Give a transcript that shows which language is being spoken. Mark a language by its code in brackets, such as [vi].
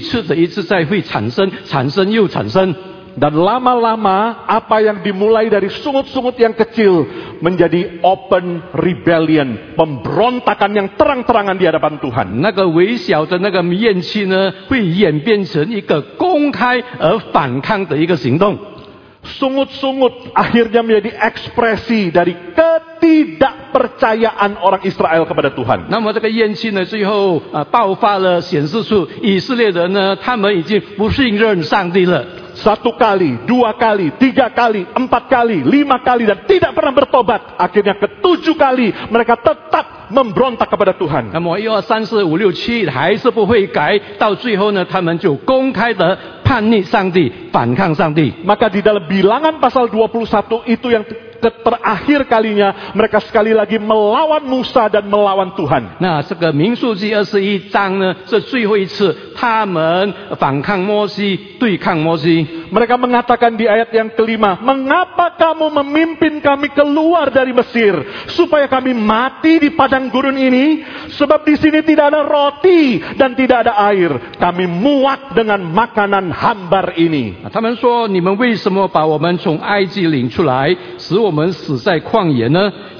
[zh] 那么这个埋怨呢，这个怨气呢，屡次的一次再会产生，产生又产生。 [id] Dan lama-lama apa yang dimulai dari sungut-sungut yang kecil menjadi [en] open rebellion, [id] pemberontakan yang terang-terangan di hadapan Tuhan. [zh] 那个微小的那个怨气呢，会演变成一个公开而反抗的一个行动。 [id] Sungut-sungut akhirnya menjadi ekspresi dari ketidakpercayaan orang Israel kepada Tuhan. [zh] 那么这个怨气呢，最后爆发了，显示出以色列人呢，他们已经不信任上帝了。 [id] Satu kali, dua kali, tiga kali, empat kali, lima kali, dan tidak pernah bertobat. Akhirnya ketujuh kali, mereka tetap memberontak kepada Tuhan. [zh] 那么一二三四五六七还是不会改，到最后呢，他们就公开的叛逆上帝，反抗上帝。 [id] Maka di dalam bilangan pasal 21 itu yang terakhir kalinya mereka sekali lagi melawan Musa dan melawan Tuhan. [zh] Nah, 这个民数记 21章呢, 是最后一次他们反抗摩西，对抗摩西。 [id] Mereka mengatakan di ayat yang kelima, mengapa kamu memimpin kami keluar dari Mesir supaya kami mati di padang gurun ini? Sebab di sini tidak ada roti dan tidak ada air. Kami muak dengan makanan hambar ini. [zh] 他们说，你们为什么把我们从埃及领出来，使我们死在旷野呢？